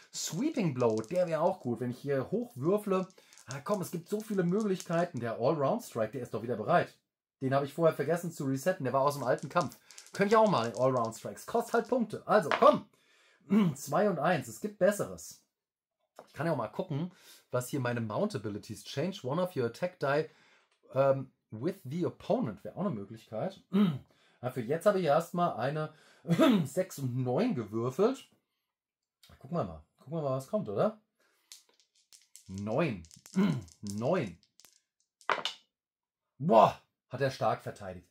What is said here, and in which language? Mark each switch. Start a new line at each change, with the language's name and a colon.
German: Sweeping Blow, der wäre auch gut, wenn ich hier hochwürfle. Ah, komm, es gibt so viele Möglichkeiten. Der Allround Strike, der ist doch wieder bereit. Den habe ich vorher vergessen zu resetten, der war aus dem alten Kampf. Könnte ich auch mal, Allround Strikes. Kostet halt Punkte. Also, komm. 2 und 1, es gibt Besseres. Ich kann ja auch mal gucken, was hier meine Mount Abilities.
English: Change one of your attack die with the opponent.
German: Wäre auch eine Möglichkeit. Für jetzt habe ich erstmal eine 6 und 9 gewürfelt. Gucken wir mal. Gucken wir mal, was kommt, oder? 9. 9. Boah, hat er stark verteidigt.